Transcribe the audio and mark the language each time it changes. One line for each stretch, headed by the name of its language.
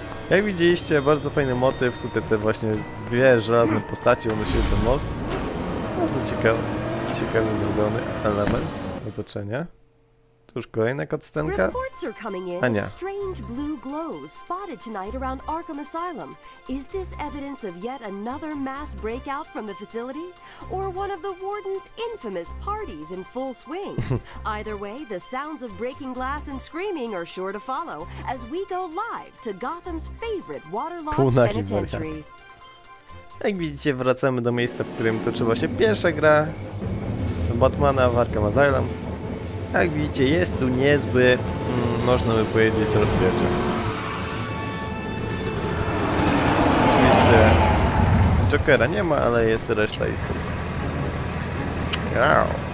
Polish: Jak widzieliście, bardzo fajny motyw. Tutaj te właśnie dwie żelazne postacie unosiły ten most. Bardzo ciekawy, ciekawie zrobiony element otoczenia. To już kolejna cutscenka.
English: Ania. Strange blue glows spotted tonight around Arkham Asylum. Is this evidence of yet another mass breakout from the facility? Or one of the warden's infamous parties in full swing? Either way, the sounds of breaking glass and screaming are sure to follow as we go live to Gotham's favorite waterlogged penitentiary.
Polish: Jak widzicie, wracamy do miejsca, w którym toczyła się pierwsza gra Batmana w Arkham Asylum. Jak widzicie, jest tu niezły, można by powiedzieć, rozpierdziel. Oczywiście Jokera nie ma, ale jest reszta izby. Wow.